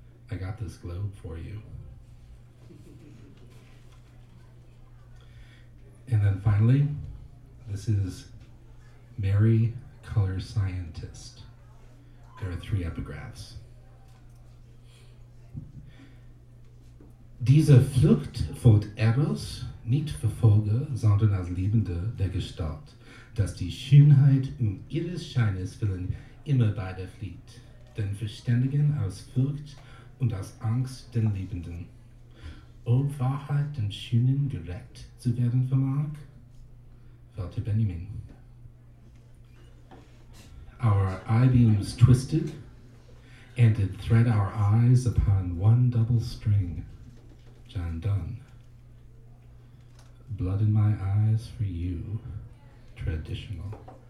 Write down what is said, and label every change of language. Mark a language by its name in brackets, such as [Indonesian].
[English] I got this globe for you. And then finally, this is Mary, Color Scientist. There are three epigraphs. [German] Diese Flucht folgt Eros nicht verfolge, sondern als Liebende der Gestalt, dass die Schönheit um ihres Scheines willen immer bei der Flieht, den Verständigen aus Furcht und aus Angst den Liebenden. Ob Wahrheit dem Schönen gerecht zu werden vermag? Walter Benjamin. [English] Our eye beams twisted, and did thread our eyes upon one double string. John Donne. Blood in my eyes for you, traditional.